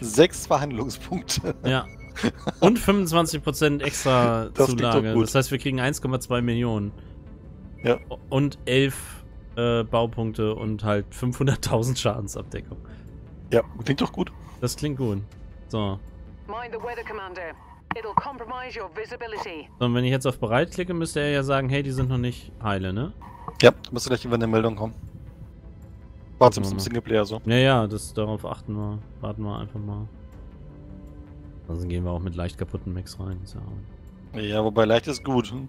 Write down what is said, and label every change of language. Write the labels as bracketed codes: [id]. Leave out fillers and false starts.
[de] 6 Verhandlungspunkte. Ja. Und 25% extra das Zulage. Das heißt, wir kriegen 1,2 Millionen. Ja. Und 11 Baupunkte und halt 500.000 Schadensabdeckung. Ja, klingt doch gut. Das klingt gut. So. [en] Mind the weather, Commander. It'll compromise your visibility. [de] So, und wenn ich jetzt auf bereit klicke, müsste er ja sagen, hey, die sind noch nicht heile, ne? Ja, da musst du gleich über eine Meldung kommen. Warte, zum Singleplayer so. Ja, das darauf achten wir. Warten wir einfach mal. Ansonsten gehen wir auch mit leicht kaputten Max rein. So. Ja, wobei leicht ist gut.